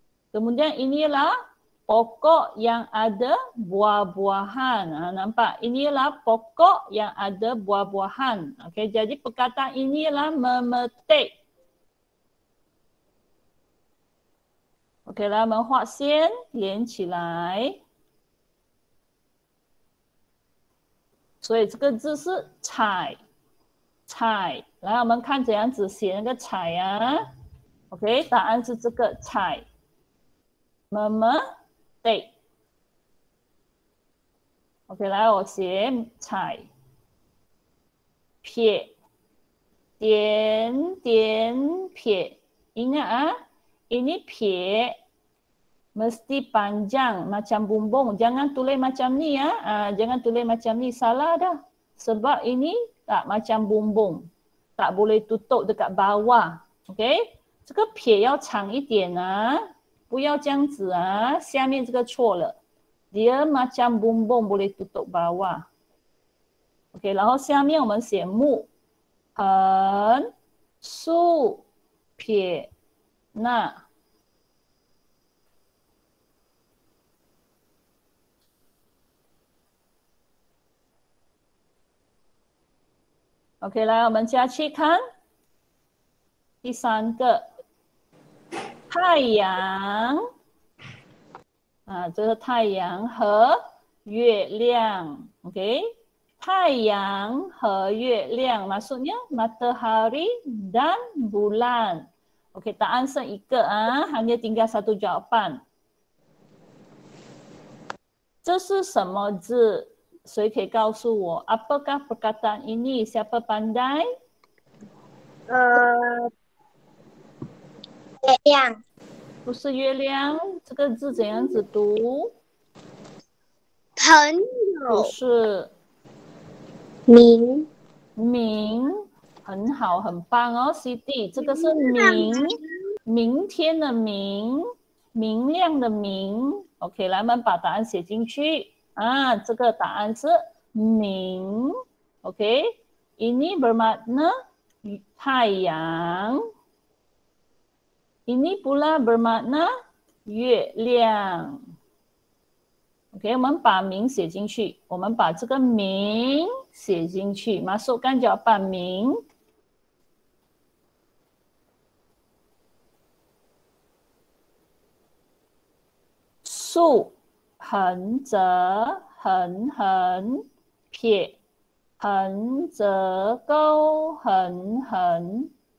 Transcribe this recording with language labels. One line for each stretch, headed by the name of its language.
Malay: kemudian ini ialah pokok yang ada buah-buahan。 nampak? ini ialah pokok yang ada buah-buahan。 OK。 jadi perkataan ini ialah memetik。
Chinese: OK， 来我们画线连起来。所以这个字是采，采。来，我们看怎样子写那个采啊 ？OK， 答案是这个采。么么的。 OK， 来我写采。撇，点点撇。应该啊，
Malay: ini 撇 ，mesti panjang macam bumbung. Jangan tulis macam ni ya, jangan tulis macam ni salah dah. Sebab ini tak macam bumbung, tak boleh tutup dekat bawah.
Chinese: OK, 这个撇要长一点啊，不要这样子啊，下面这个错了。
Malay: Dia macam bumbung boleh tutup bawah.
Chinese: OK, 然后下面我们写木、横、竖、撇捺。 OK， 来，我们加去看第三个太阳啊，这是太阳和月亮。 OK， 太阳和月亮 ，
Malay: maksudnya matahari dan bulan。
Chinese: OK， 答案剩一个啊，还有
Malay: tinggal satu jawapan。
Chinese: 这是什么字？谁可以告诉我 ？
Malay: Apakah perkataan ini? Siapa pandai?
Chinese: Ya, 月亮不是月亮，这个字怎样子读？朋友不是名名，很好，很棒哦 ，CD， 这个是明明天的明，明亮的明。 OK， 来，我们把答案写进去。啊，这个答案是明 ，OK。
Malay: Ini bermakna太阳。 Ini pula bermakna月亮。
Chinese: OK， 我们把明写进去，我们把这个明写进去。
Malay: Masukkan jawapan明。
Chinese: 树。横则横横撇，横则勾横横。